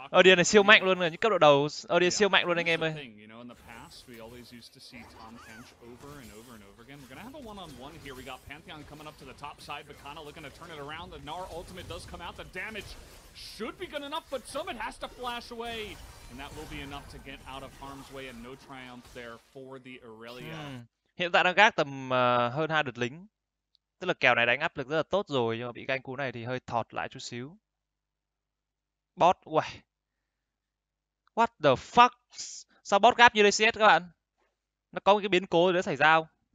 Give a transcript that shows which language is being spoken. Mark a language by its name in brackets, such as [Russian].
[Vietnamese] Odin này siêu mạnh luôn rồi, những cấp độ đầu Odin siêu mạnh luôn anh em ơi. [English] You know, in the past we always used to see Tahm Kench over and over and over again. We're going to have a one on one here. We got Pantheon coming up to the top side, but Kana looking to turn it around. The Gnar ultimate does come out. The damage should be good enough, but Summit has to flash away, and that will be enough to get out of harm's way, and no triumph there for the Aurelia. [Vietnamese] Hiện tại đang gác tầm hơn 2 đợt lính. Tức là kèo này đánh áp lực rất là tốt rồi, nhưng mà bị gank cú này thì hơi thọt lại chút xíu. Bot, uầy. [English] What the fuck? [Vietnamese] Sao bot gáp như DCS các bạn? Nó có cái biến cố gì đó xảy ra không?